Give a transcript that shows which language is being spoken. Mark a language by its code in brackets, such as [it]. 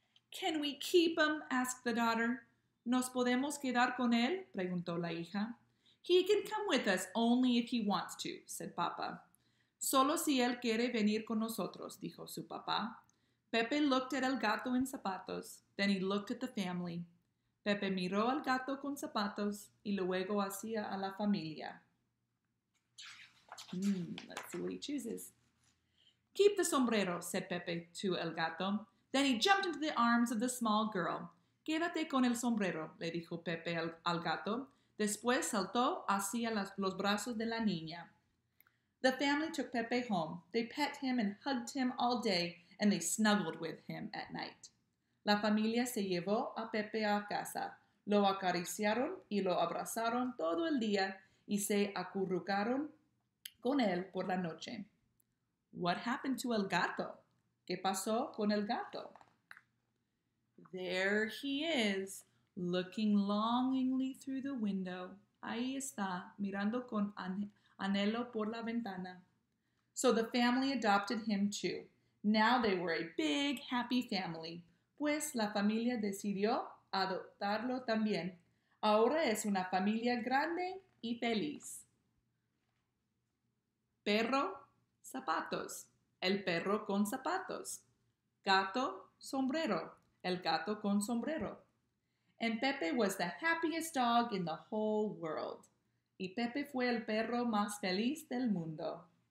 [en] Can we keep him? Asked the daughter. [es] ¿Nos podemos quedar con él? Preguntó la hija. [en] He can come with us only if he wants to, said papá. [es] Solo si él quiere venir con nosotros, dijo su papá. [en] Pepe looked at el gato en zapatos, then he looked at the family. [es] Pepe miró al gato con zapatos y luego hacia a la familia. [en] Let's see what he chooses. Keep the sombrero, said Pepe to el gato. Then he jumped into the arms of the small girl. [es] Quédate con el sombrero, le dijo Pepe al gato. Después saltó hacia los brazos de la niña. [en] The family took Pepe home. They pet him and hugged him all day, and they snuggled with him at night. [es] La familia se llevó a Pepe a casa. Lo acariciaron y lo abrazaron todo el día y se acurrucaron con él por la noche. [en] What happened to el gato? [es] ¿Qué pasó con el gato? [en] There he is, looking longingly through the window. [es] Ahí está, mirando con anhelo por la ventana. [en] So the family adopted him too. Now they were a big, happy family. [es] Pues la familia decidió adoptarlo también. Ahora es una familia grande y feliz. Perro, zapatos. El perro con zapatos. Gato, sombrero. El gato con sombrero. [en] And Pepe was the happiest dog in the whole world. [es] Y Pepe fue el perro más feliz del mundo.